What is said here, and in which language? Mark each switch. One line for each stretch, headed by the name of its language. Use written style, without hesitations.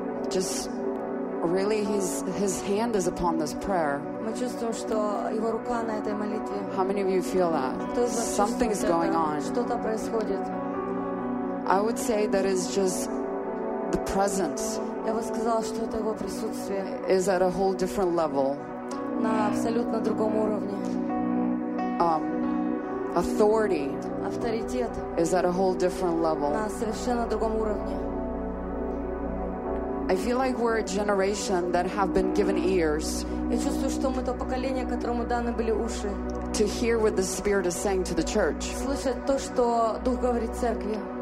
English: Just really, his hand is upon this prayer. How many of you feel that? Something's going on. I would say that is just the presence.
Russian: Я бы сказала, что это его присутствие.
English: Is at a whole different level.
Russian: На абсолютно другом уровне.
English: Authority.
Russian: Авторитет.
English: Is at a whole different level.
Russian: На совершенно другом уровне.
English: I feel like we're a generation that have been given ears.
Russian: Я чувствую, что мы то поколение, которому даны были уши.
English: To hear what the Spirit is saying to the church.
Russian: Слышать то, что Дух говорит церкви.